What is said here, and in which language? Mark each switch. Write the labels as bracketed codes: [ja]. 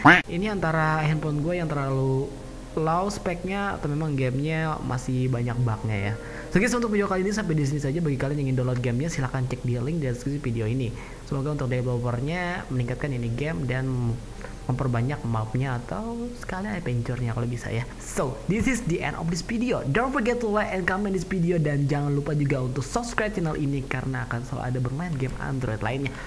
[id] Ini antara handphone gue yang terlalu low speknya atau memang gamenya masih banyak bugnya ya. [en] So guys, [id] untuk video kali ini sampai di sini saja. Bagi kalian yang ingin download gamenya silahkan cek di link di deskripsi video ini. Semoga untuk developernya meningkatkan ini game dan memperbanyak mapnya atau sekalian adventure-nya kalau bisa ya. [en] So, this is the end of this video. Don't forget to like and comment this video. [id] Dan jangan lupa juga untuk subscribe channel ini. Karena akan selalu ada bermain game Android lainnya.